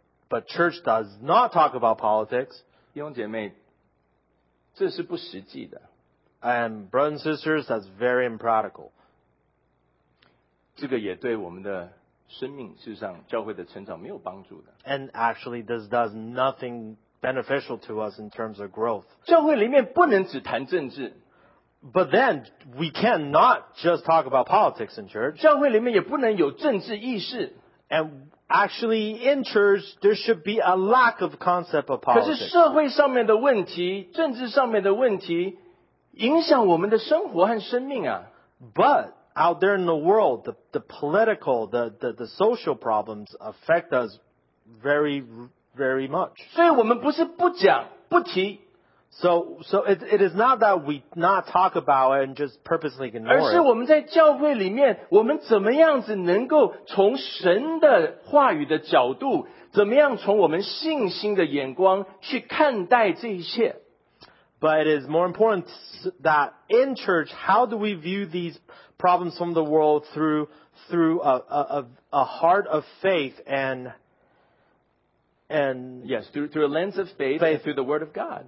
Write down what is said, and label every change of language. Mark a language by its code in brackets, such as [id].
[en] but church does not talk about politics. [zh] 弟兄姐妹, [en] and brothers and sisters, that's very impractical. [zh] 这个也对我们的生命,事实上,教会的成长没有帮助的。 [en] And actually, this does nothing beneficial to us in terms of growth. [zh] 教会里面不能只谈政治。 [en] But then, we cannot just talk about politics in church. [zh] 教会里面也不能有政治意识。 [en] And actually, in church, there should be a lack of concept of politics. [zh] 可是社会上面的问题,政治上面的问题, 影响我们的生活和生命啊。 [en] But out there in the world, the political, the social problems affect us very, very much. [zh] 所以我们不是不讲,不提。 [en] So it is not that we not talk about it and just purposely ignore it. [zh] 而是我们在教会里面,我们怎么样子能够从神的话语的角度,怎么样从我们信心的眼光去看待这一切。 [en] But it is more important that in church, how do we view these problems from the world through a heart of faith and yes, through a lens of faith and through the Word of God.